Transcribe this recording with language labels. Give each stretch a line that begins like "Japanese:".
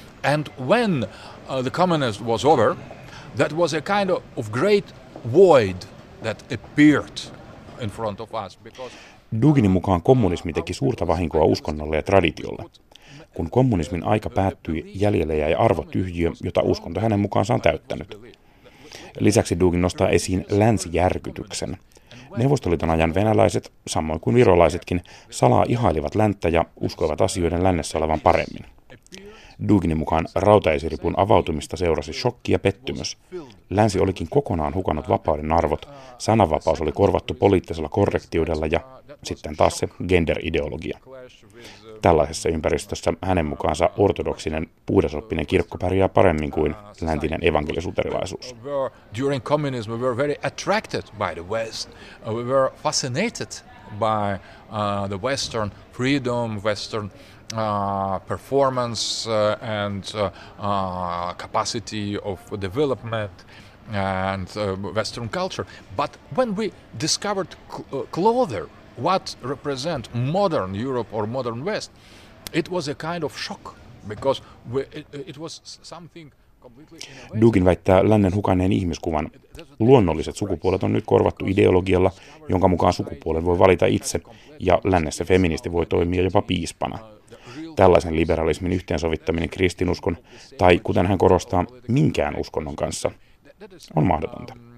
English: And when the communism was over, that was a kind of great void that appeared in front of us.
Finnish: Duginin mukaan kommunismi teki suurta vahinkoa uskonnolle ja traditiolle. Kun kommunismin aika päättyi, jäljelle jäi arvotyhjiö, jota uskonto hänen mukaansa on täyttänyt. Lisäksi Dugin nostaa esiin länsijärkytyksen. Neuvostoliiton ajan venäläiset, samoin kuin virolaisetkin, salaa ihailivat länttä ja uskoivat asioiden lännessä olevan paremmin. Duginin mukaan rautaesiripun avautumista seurasi shokki ja pettymys. Länsi olikin kokonaan hukannut vapauden arvot, sananvapaus oli korvattu poliittisella korrektiudella ja sitten taas se gender-ideologia. Tällaisessa ympäristössä hänen mukaansa ortodoksinen, puhdasoppinen kirkko pärjää paremmin kuin läntinen evankelis-luterilaisuus.
English: During communism we were very attracted by the West. We were fascinated by the Western freedom, Western performance and capacity of development and Western culture. But when we discovered clothing, what represent modern Europe or modern West, it was a kind of shock, because it was something completely innovative.
Finnish: Dugin väittää lännen hukanneen ihmiskuvan. Luonnolliset sukupuolet on nyt korvattu ideologialla, jonka mukaan sukupuolen voi valita itse, ja lännessä feministi voi toimia jopa piispana. Tällaisen liberalismin yhteensovittaminen kristinuskon, tai kuten hän korostaa, minkään uskonnon kanssa, on mahdotonta.